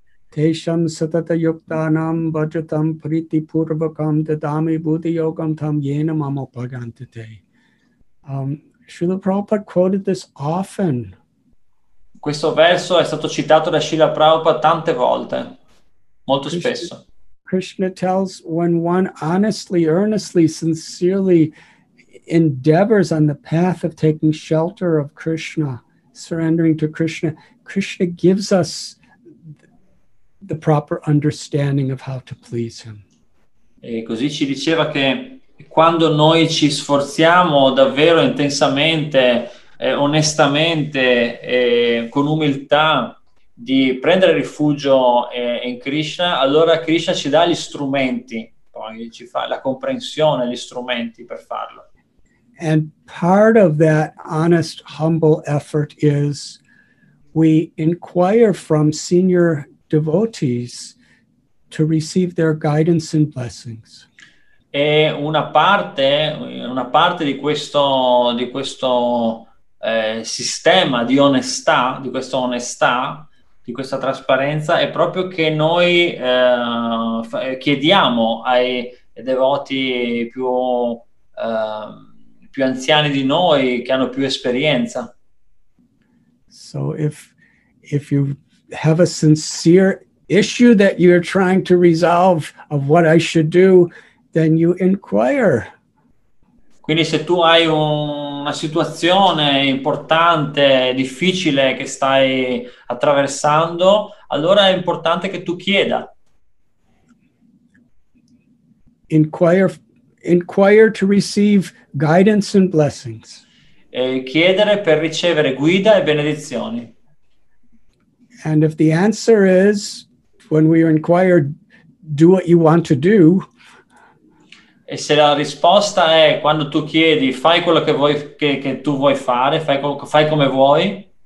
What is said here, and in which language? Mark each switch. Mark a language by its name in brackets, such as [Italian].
[Sanskrit] To Tesham satata yuktanam vajatam priti purvakam dadami buddhi yogam tam yenam amopagantite. [English] Srila Prabhupada quoted this often. [Italian] Questo verso è stato citato da Srila Prabhupada tante volte, molto spesso. [English] Krishna tells when one honestly, earnestly, sincerely endeavors on the path of taking shelter of Krishna, surrendering to Krishna, Krishna gives us the proper understanding of how to please him. [Italian] E così ci diceva che quando noi ci sforziamo davvero intensamente, onestamente, con umiltà di prendere rifugio in Krishna, allora Krishna ci dà gli strumenti, poi ci fa la comprensione, gli strumenti per farlo. [English] And part of that honest, humble effort is we inquire from senior devotees to receive their guidance and blessings. [Italian] E una parte di questo sistema di onestà, di questa onestà, di questa trasparenza, è proprio che noi chiediamo ai devoti più anziani di noi, che hanno più esperienza. [English] So if you have a sincere issue that you're trying to resolve of what I should do, then you inquire. [Italian] Quindi se tu hai una situazione importante, difficile che stai attraversando, allora è importante che tu chieda. [English] Inquire to receive guidance and blessings. [Italian] E chiedere per ricevere guida e benedizioni. [English] And if the answer is, when we are inquired, do what you want to do. [Italian] E se la risposta è quando tu chiedi fai quello che vuoi, che tu vuoi fare, fai come vuoi.